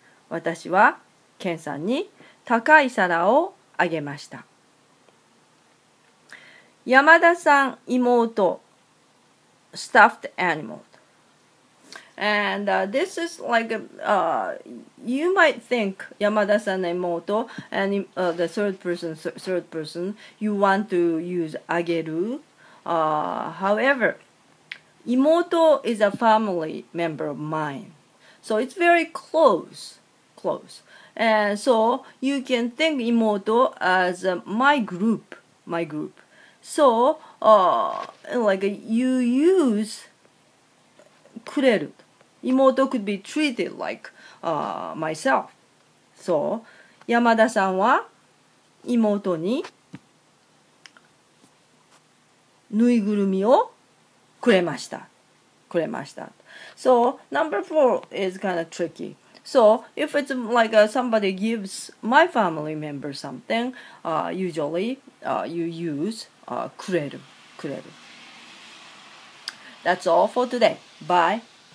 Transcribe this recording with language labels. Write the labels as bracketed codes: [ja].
[ja] 私は Ken さんに高い皿をあげました. [en] 山田さん妹 stuffed animal and this is like a, you might think 山田さん妹 and the third person you want to use あげる however 妹 is a family member of mine so it's very close and so you can think 妹 as my group. So, like you use くれる. 妹 could be treated like myself. [ja] So, 山田さんは妹にぬいぐるみをくれました。くれました。 [en] So number four is kind of tricky. So if it's like somebody gives my family member something, usually you use くれる。くれる。That's all for today. Bye.